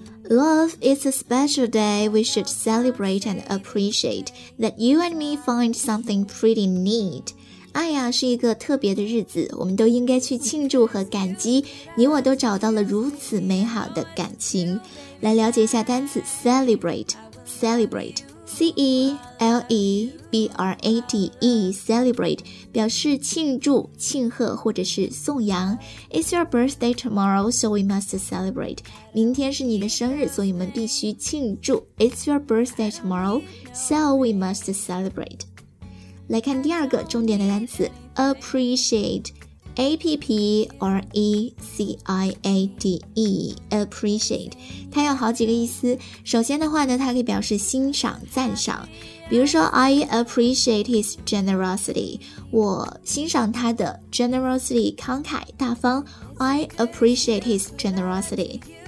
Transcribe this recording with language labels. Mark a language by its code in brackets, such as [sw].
[en] Love is a special day we should celebrate and appreciate that you and me find something pretty neat. [zh] 爱呀是一个特别的日子，我们都应该去庆祝和感激你我都找到了如此美好的感情。来了解一下单词 celebrate， celebrate C-E-L-E-B-R-A-T-E celebrate 表示庆祝、庆贺或者是颂扬。 [en] It's your birthday tomorrow so we must celebrate， [zh] 明天是你的生日所以我们必须庆祝。 [en] It's your birthday tomorrow so we must celebrate。 [zh] 来看第二个重点的单词 appreciate， A-P-P-R-E-C-I-A-T-E appreciate， 它有好几个意思。首先的话呢，它可以表示欣赏、赞赏，比如说 [en] I appreciate his generosity， [zh] 我欣赏他的 generosity 慷慨大方。 I appreciate his generosity。